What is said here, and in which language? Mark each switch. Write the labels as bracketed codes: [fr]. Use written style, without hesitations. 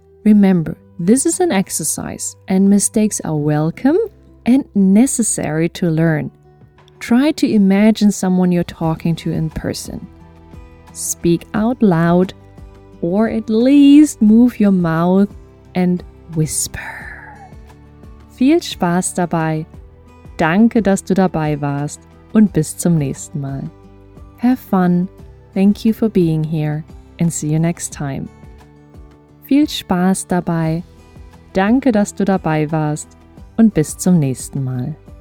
[en] Remember, this is an exercise and mistakes are welcome and necessary to learn. Try to imagine someone you're talking to in person. Speak out loud or at least move your mouth and whisper. [de] Viel Spaß dabei. Danke, dass du dabei warst und bis zum nächsten Mal. [en] Have fun. Thank you for being here and see you next time. [de] Viel Spaß dabei. Danke, dass du dabei warst und bis zum nächsten Mal.